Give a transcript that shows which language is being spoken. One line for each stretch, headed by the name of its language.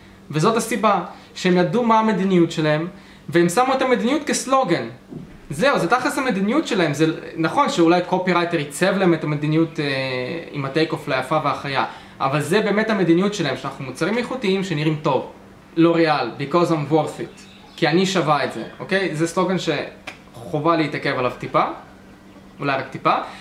Hebrew: וזאת הסיבה שהם ידעו מה המדיניות שלהם, והם שמו את המדיניות כסלוגן. זהו, זה תחס המדיניות שלהם, זה נכון שאולי קופירייטר ייצב להם את המדיניות עם הטייק אוף ליפה והחיה, אבל זה באמת המדיניות שלהם, שאנחנו מוצרים איכותיים שנראים טוב.
English: L'Oreal, because I'm worth it.
Hebrew: כי אני שווה את זה, אוקיי? זה סלוגן שחובה להתעכב עליו טיפה, אולי רק טיפה.